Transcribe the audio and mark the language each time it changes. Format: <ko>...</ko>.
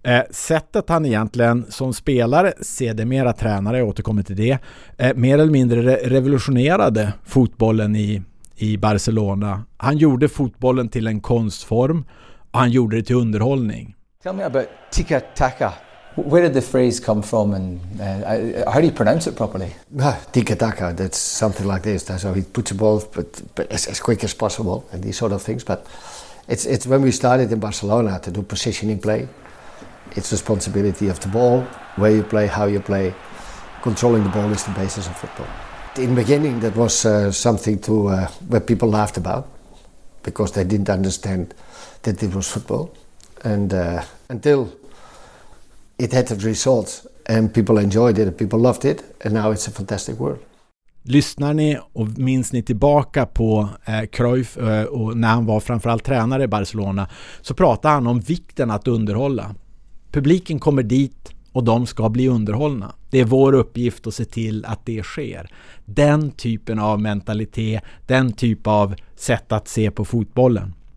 <sv>Sättet han egentligen som spelare, sedermera tränare, jag återkommer till det, mer eller mindre revolutionerade fotbollen i Barcelona. Han gjorde fotbollen till en konstform och han gjorde det till underhållning.</sv> <en>Tell me about tiki taka. Where did the phrase come from and how do you pronounce it properly? Tiki taka, that's something like this. That's how he puts the ball but as quick as possible and these sort of things, but it's when we started in Barcelona to do positioning play. It's responsibility of the ball, where you play, how you play. Controlling the ball is the basis of football. In the beginning, that was something to where people laughed about because they didn't understand that it was football. And until it had the results and people enjoyed it, and people loved it, and now it's a fantastic world.</en> <sv>Lyssnar ni och minns ni tillbaka på Cruyff och när han var framförallt tränare i Barcelona, så pratade han om vikten att underhålla. Publiken kommer dit och de ska bli underhållna. Det är vår uppgift att se till att det sker. Den typen av mentalitet, den typ av sätt att se på fotbollen.</sv>